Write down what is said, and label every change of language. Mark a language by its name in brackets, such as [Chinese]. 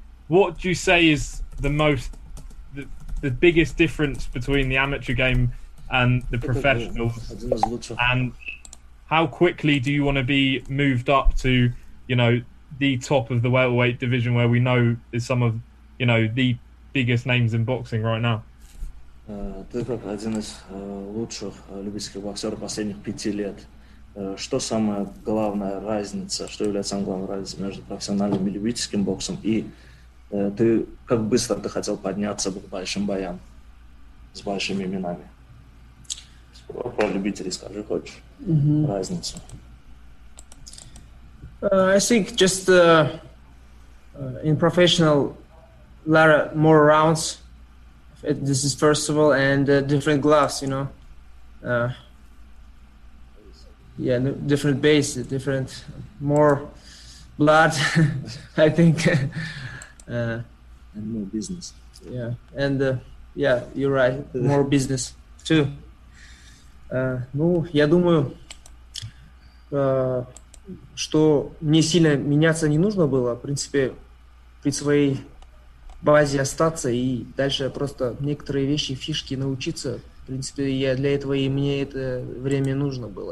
[English] What do you say is the biggest difference between the amateur game and the professionals? And how quickly do you want to be moved up to, you know, the top of the welterweight division where we know is some of, you know, the biggest names in boxing right now? [Russian] Ты как один из лучших любительских боксеров последних 5 лет. Что самая главная разница, что является самой главной разницей между профессиональным и любительским боксом? И ты как быстро ты хотел подняться к большим боям с большими именами? Про любителей скажи, хочешь разницу? [English] I think just in professional ladder, more rounds. This is first of all, and different gloves, you know. Yeah, no, different base, different, more blood, I think. And more business. Yeah, and yeah, you're right, more business too. [Russian] Ну, я думаю, что мне сильно меняться не нужно было, в принципе, при своей базе остаться и дальше просто некоторые вещи, фишки научиться. В принципе, я для этого и мне это время нужно было.